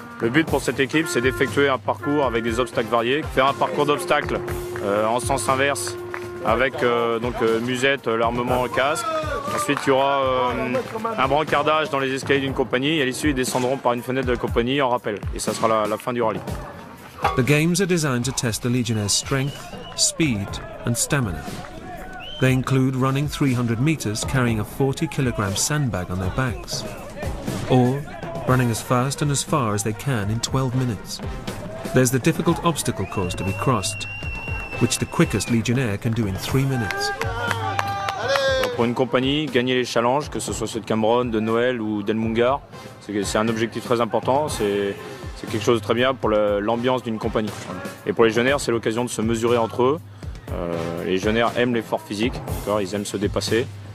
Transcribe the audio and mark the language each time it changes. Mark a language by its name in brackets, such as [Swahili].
[French] Le but pour cette équipe c'est d'effectuer un parcours avec des obstacles variés. Faire un parcours d'obstacles en sens inverse avec musette, l'armement, le casque. Ensuite il y aura un brancardage dans les escaliers d'une compagnie et à l'issue ils descendront par une fenêtre de la compagnie en rappel. Et ça sera la fin du rallye. [English] The games are designed to test the Legionnaires' strength, speed and stamina. They include running 300 meters carrying a 40-kilogram sandbag on their backs, or running as fast and as far as they can in 12 minutes. There's the difficult obstacle course to be crossed, which the quickest Legionnaire can do in 3 minutes. [French] Pour une compagnie, gagner les challenges, que ce soit ceux de Cameroun, de Noël ou d'El Mungar, c'est un objectif très important. C'est quelque chose de très bien pour l'ambiance d'une compagnie. Et pour les Legionnaires, c'est l'occasion de se mesurer entre eux. Les Legionnaires aiment l'effort physique, d'accord, ils aiment se dépasser.